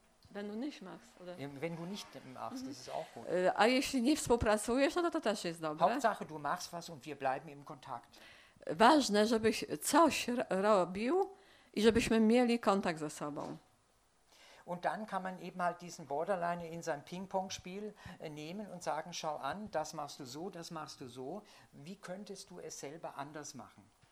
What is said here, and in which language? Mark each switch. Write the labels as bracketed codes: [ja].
[de] Wenn du nicht machst, oder? Wenn du nicht machst, ist es auch gut. [pl] A jeśli nie współpracujesz, no to też jest dobre. [de] Hauptsache, du machst was und wir bleiben im Kontakt. [pl] Ważne, żebyś coś robił i żebyśmy mieli kontakt ze sobą. [de] Und dann kann man eben halt diesen Borderliner in sein Ping-Pong-Spiel nehmen und sagen, schau an, das machst du so, das machst du so. Wie könntest du es selber anders machen?